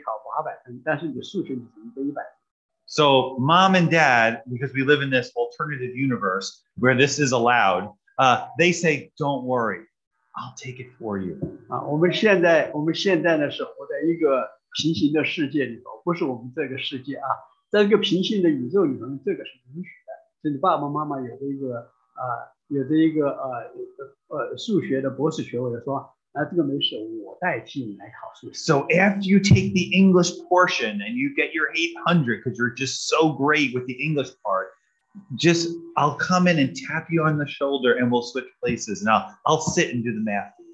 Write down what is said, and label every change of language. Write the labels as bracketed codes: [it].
[zh] 然后你可以你的英语部分你可以考800分，但是你的数学你只能得100。 [en] So mom and dad, because we live in this alternative universe where this is allowed, they say, don't worry, I'll take it for you. [zh] 我们现在呢是活在一个 平行的世界里头，不是我们这个世界啊，在这个平行的宇宙里头，这个是允许的。就你爸爸妈妈有的一个数学的博士学位的说，啊，这个没事，我代替你来考数学。 [en] So after you take the English portion and you get your 800, because you're just so great with the English part, just I'll come in and tap you on the shoulder and we'll switch places. Now I'll sit and do the math.